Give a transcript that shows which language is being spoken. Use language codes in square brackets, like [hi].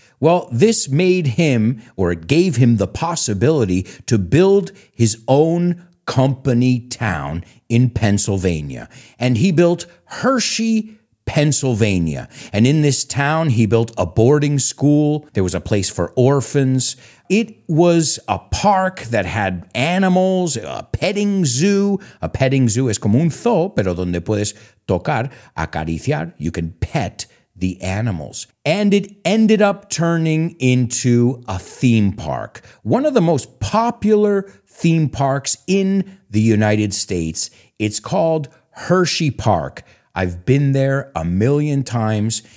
[en] Well, this made him, or it gave him the possibility to build his own company town in Pennsylvania. And he built Hershey, Pennsylvania. And in this town, he built a boarding school. There was a place for orphans. It was a park that had animals, a petting zoo. [es] A petting zoo es como un zoo, pero donde puedes tocar, acariciar. [en] You can pet the animals. And it ended up turning into a theme park. One of the most popular theme parks in the United States. It's called Hershey Park. I've been there a million times.